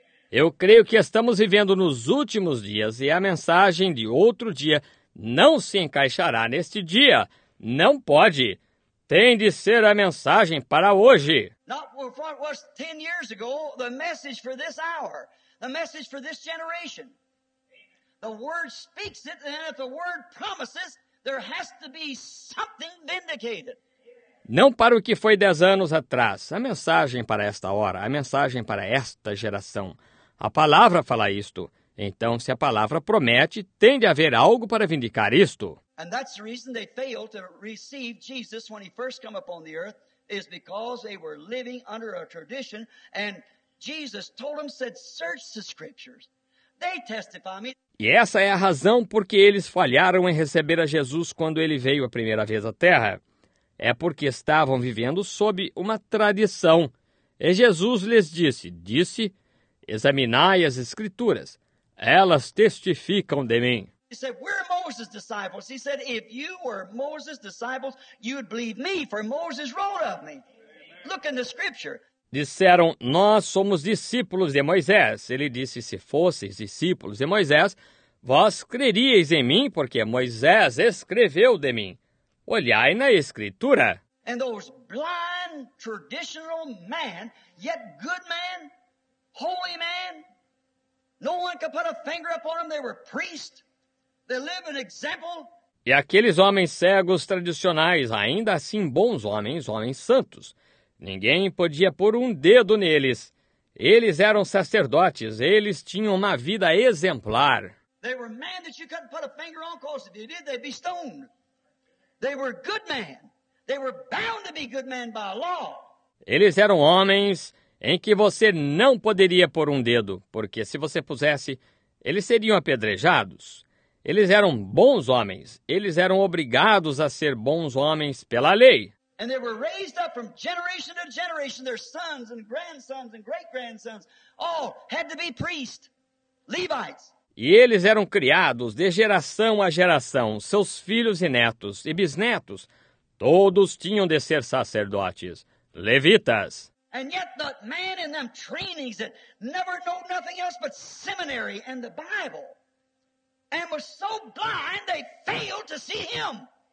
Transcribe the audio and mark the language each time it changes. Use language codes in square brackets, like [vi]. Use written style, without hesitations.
[pt] Eu creio que estamos vivendo nos últimos dias e a mensagem de outro dia não se encaixará neste dia. Não pode. Tem de ser a mensagem para hoje. [en] Not what was 10 years ago, the message for this hour, the message for this generation. The word speaks it, and if the word promises, there has to be something vindicated. [pt] Não para o que foi 10 anos atrás. A mensagem para esta hora, a mensagem para esta geração. A palavra fala isto. Então, se a palavra promete, tem de haver algo para vindicar isto. [en] And that's the reason they failed to receive Jesus when he first came upon the earth, is because they were living under a tradition, and Jesus told them, said, search the scriptures. They testify me. [pt] E essa é a razão porque eles falharam em receber a Jesus quando ele veio a primeira vez à Terra. É porque estavam vivendo sob uma tradição. E Jesus lhes disse, examinai as Escrituras, elas testificam de mim. [en] He said, we're Moses' disciples. He said, if you were Moses' disciples, you'd believe me, for Moses wrote of me. Look in the Scripture. [pt] Disseram, nós somos discípulos de Moisés. Ele disse, se fosseis discípulos de Moisés, vós creríeis em mim, porque Moisés escreveu de mim. Olhai na Escritura. [en] And those blind, traditional men, yet good men, holy men, no one could put a finger upon them, they were priests, they live an example. [pt] E aqueles homens cegos tradicionais, ainda assim bons homens, homens santos, ninguém podia pôr um dedo neles. Eles eram sacerdotes. Eles tinham uma vida exemplar. [en] They were men that you couldn't put a finger on, because if you did, they'd be stoned. They were good men. They were bound to be good men by law. [pt] Eles eram homens em que você não poderia pôr um dedo, porque se você pusesse, eles seriam apedrejados. Eles eram bons homens. Eles eram obrigados a ser bons homens pela lei. [en] And they were raised up from generation to generation, their sons and grandsons and great-grandsons, all had to be priests, Levites. [pt] E eles eram criados de geração a geração, seus filhos e netos e bisnetos, todos tinham de ser sacerdotes, levitas. [en] And yet the man in them trainings that never know nothing else but seminary and the Bible, and were so blind they failed to see him.